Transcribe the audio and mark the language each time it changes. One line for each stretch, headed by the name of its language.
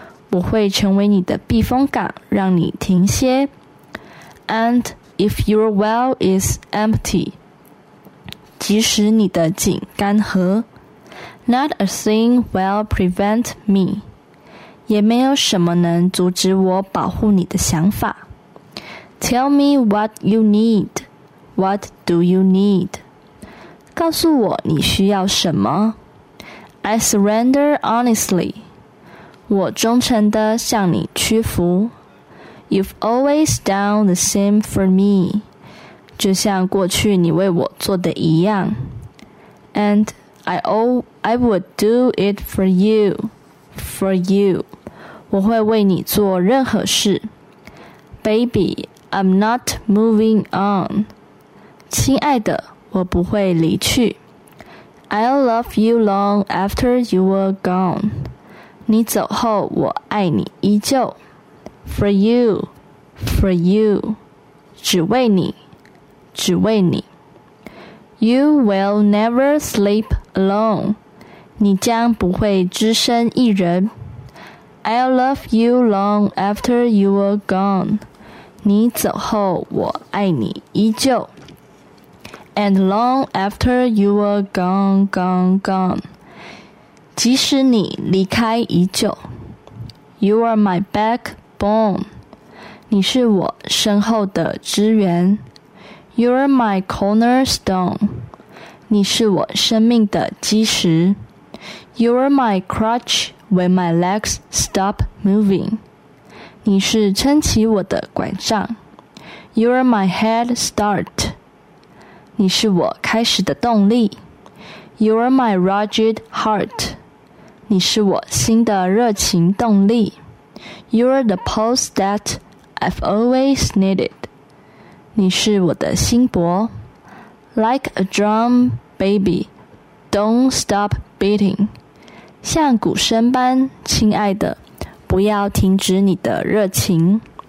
Chinese: 我会成为你的避风港让你停歇。
English: And... If your well is empty,
Chinese: 即使你的井干涸,
English: not a thing will prevent me,
Chinese: 也没有什么能阻止我保护你的想法。
English: Tell me what you need, what do you need?
Chinese: 告诉我你需要什么。
English: I surrender honestly,
Chinese: 我忠诚地向你屈服。
English: You've always done the same for me,
Chinese: 就像过去你为我做的一样。
English: And I would do it for you, for you.
Chinese: 我会为你做任何事。
English: Baby, I'm not moving on.
Chinese: 亲爱的，我不会离去。
English: I'll love you long after you are gone.
Chinese: 你走后我爱你依旧。
English: For you, for you,
Chinese: 只为你，只为你。
English: You will never sleep alone,
Chinese: 你将不会只身一人。
English: I'll love you long after you are gone,
Chinese: 你走后我爱你依旧。
English: And long after you are gone, gone, gone,
Chinese: 即使你离开已久。
English: You are my back. Bone,
Chinese: 你是我身后的支援。
English: You're my cornerstone,
Chinese: 你是我生命的基石。
English: You're my crutch when my legs stop moving,
Chinese: 你是撑起我的拐杖。
English: You're my head start,
Chinese: 你是我开始的动力。
English: You're my rugged heart,
Chinese: 你是我心的热情动力。
English: You're the pulse that I've always needed.
Chinese: 你是我的心搏。
English: Like a drum, baby, don't stop beating.
Chinese: 像鼓声般，亲爱的，不要停止你的热情。